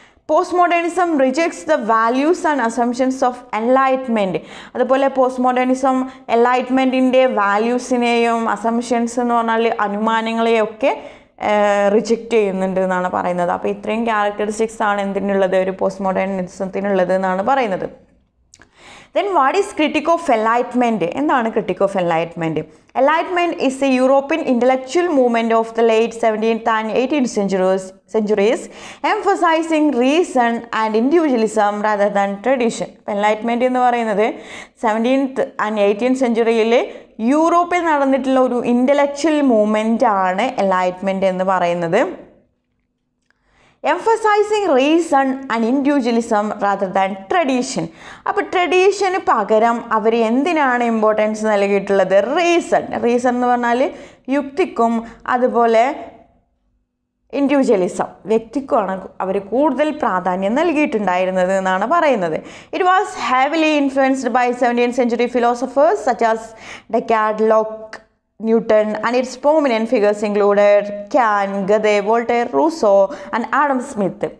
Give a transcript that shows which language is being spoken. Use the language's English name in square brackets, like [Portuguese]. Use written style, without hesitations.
[English] Post modernism rejects the values and assumptions of enlightenment. [Malayalam] അതുപോലെ post modernism എൻലൈറ്റ്മെൻറ്റിൻ്റെ വാല്യൂസിനെയും assumptions എന്ന് പറഞ്ഞാൽ അനുമാനങ്ങളെയൊക്കെ reject ചെയ്യുന്നുണ്ട് എന്നാണ് പറയുന്നത്. അപ്പോൾ ഇത്രയും ക്യാരക്ടറിസ്റ്റിക്സ് ആണ് എന്തിനുള്ളത് ഒരു പോസ്റ്റ് മോഡേണിസത്തിനുള്ളത് എന്നാണ് പറയുന്നത്. [English] Then what is critic of enlightenment? [Malayalam] എന്താണ് [English] critic of enlightenment? Enlightenment is a European intellectual movement of the late 17th and 18th centuries emphasizing reason and individualism rather than tradition. [Malayalam] Enlightenment എന്ന് പറയുന്നത് 17th and 18th സെഞ്ചുറിയിലെ യൂറോപ്പിൽ നടന്നിട്ടുള്ള ഒരു intellectual movement ആണ് enlightenment എന്ന് പറയുന്നത്. [English] Emphasizing reason and individualism rather than tradition. [Malayalam] അപ്പോൾ ട്രഡീഷന് പകരം അവർ എന്തിനാണ് ഇമ്പോർട്ടൻസ് നൽകിയിട്ടുള്ളത്? റീസൺ. റീസൺ എന്ന് പറഞ്ഞാൽ യുക്തിക്കും അതുപോലെ ഇൻഡിവിജ്വലിസം, വ്യക്തിക്കുമാണ് അവർ കൂടുതൽ പ്രാധാന്യം നൽകിയിട്ടുണ്ടായിരുന്നത് എന്നാണ് പറയുന്നത്. [English] It was heavily influenced by 17th century philosophers such as Descartes, Locke, Newton and its prominent figures included Kant, Goethe, Voltaire, Rousseau and Adam Smith.